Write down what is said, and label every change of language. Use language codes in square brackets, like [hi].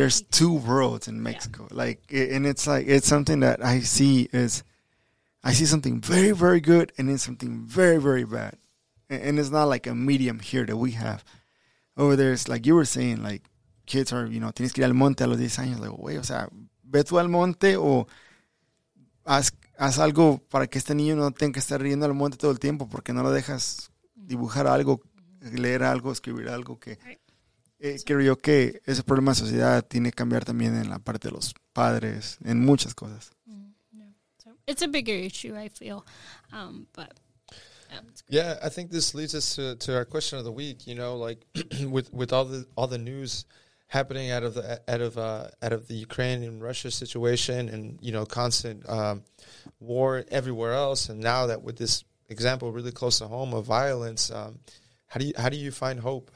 [en] There's two worlds in Mexico. Yeah. Like, and it's like, it's something that I see is, I see something very, very good and then something very, very bad. And it's not like a medium here that we have. Over there, it's like you were saying, like, kids are, you know, [es] tienes que ir al monte a los 10 años. Like, wait, o sea, ve tú al monte o haz algo para que este niño no tenga que estar riendo al monte todo el tiempo porque no lo dejas dibujar algo, leer algo, escribir algo. Que creo yo que ese problema de sociedad tiene que cambiar también en la parte de los padres, en muchas cosas. [en] It's a bigger issue, I feel, but... Yeah, I think this leads us to our question of the week. You know, like with all the news happening out of the Ukraine and Russia situation, and you know, constant war everywhere else, and now that with this example really close to home of violence, how do you find hope?